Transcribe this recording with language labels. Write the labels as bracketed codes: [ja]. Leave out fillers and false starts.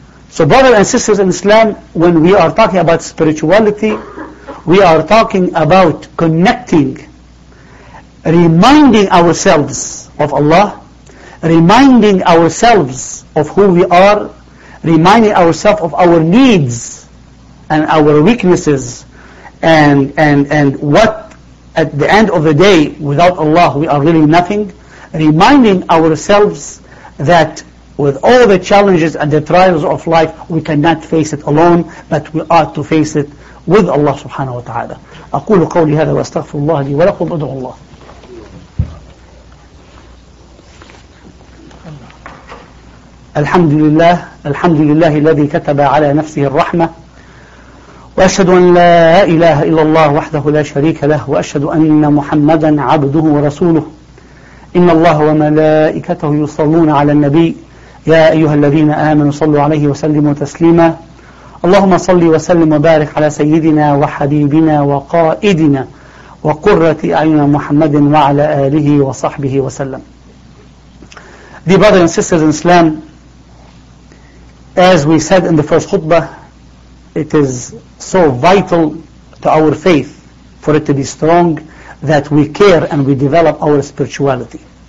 [en] So brothers and sisters in Islam, when we are talking about spirituality, we are talking about connecting, reminding ourselves of Allah, reminding ourselves of who we are, reminding ourselves of our needs and our weaknesses, and what at the end of the day, without Allah, we are really nothing. Reminding ourselves that with all the challenges and the trials of life, we cannot face it alone, but we ought to face it with Allah subhanahu wa ta'ala. [ar] أقول قولي هذا وأستغفر الله لي ولكم أدعو الله. الحمد لله، الحمد لله الذي كتب على نفسه الرحمة. وأشهد أن لا إله إلا الله وحده لا شريك له وأشهد أن محمدا عبده ورسوله إن الله وملائكته يصلون على النبي يا أيها الذين آمنوا صلوا عليه وسلموا تسليما اللهم صل وسلم وبارك على سيدنا وحبيبنا وقائدنا وقرة أعين محمد وعلى آله وصحبه وسلم. [en] Dear brothers and sisters in Islam, as we said in the first khutbah, it is so vital to our faith for it to be strong that we care and we develop our spirituality.